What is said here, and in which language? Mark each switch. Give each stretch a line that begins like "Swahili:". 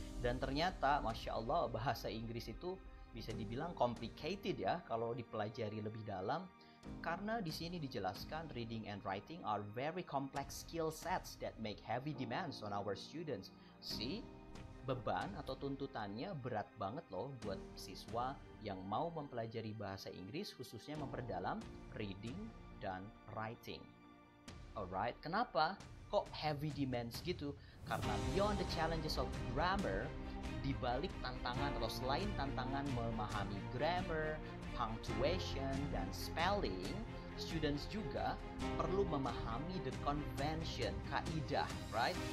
Indonesian: Dan ternyata, Masya Allah, bahasa Inggris itu bisa dibilang complicated ya kalau dipelajari lebih dalam. Karena di sini dijelaskan
English: reading and writing are very complex skill sets that make heavy demands on our students.
Indonesian: See, beban atau tuntutannya berat banget loh buat siswa yang mau mempelajari bahasa Inggris khususnya memperdalam reading dan writing. Alright, kenapa kok heavy demands gitu? Karena
English: beyond the challenges of grammar,
Indonesian: dibalik tantangan atau selain tantangan memahami grammar, punctuation, dan spelling, students juga perlu memahami the convention, kaidah, right?